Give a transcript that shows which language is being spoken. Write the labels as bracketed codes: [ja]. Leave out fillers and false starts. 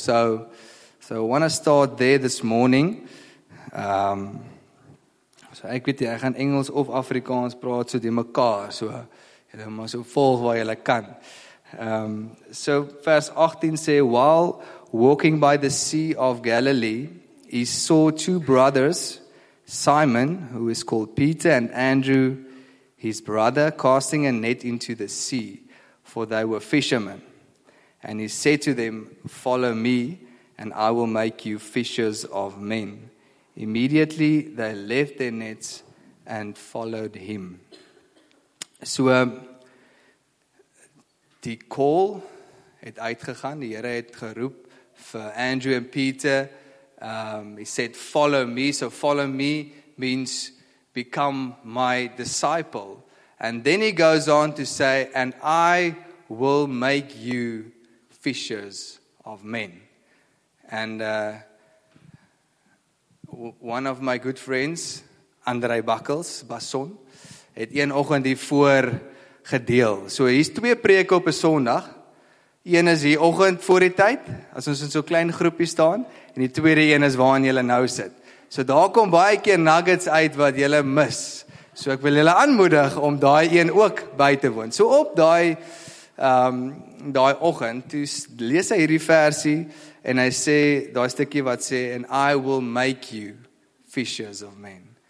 [en] So I want to start there this morning. [af] Ek weet jy, ek gaan Engels of Afrikaans praat, so die mekaar, so jy maar so volg waar jy kan. So vers 18 sê, [en] while walking by the Sea of Galilee, he saw two brothers, Simon, who is called Peter, and Andrew, his brother, casting a net into the sea, for they were fishermen. And he said to them, follow me, and I will make you fishers of men. Immediately they left their nets and followed him. [af] So, die call het uitgegaan, die Here het geroep vir Andrew en Peter. [en] He said, follow me. So follow me means become my disciple. And then he goes on to say, and I will make you fishers of men. And one of my good friends, Andre Buckles, Basson, [af] het een oggend hiervoor gedeel. So hier's twee preke op 'n Sondag. Een is hier oggend voor die tyd, as ons in so klein groepie staan, en die tweede een is waar jy nou sit. So daar kom baie keer nuggets uit wat jy mis. So ek wil julle aanmoedig om daai een ook by te woon. So op daai daai oggend, toe lees hy hierdie versie en hy sê daai stukkie wat sê, and I will make you fishers of men.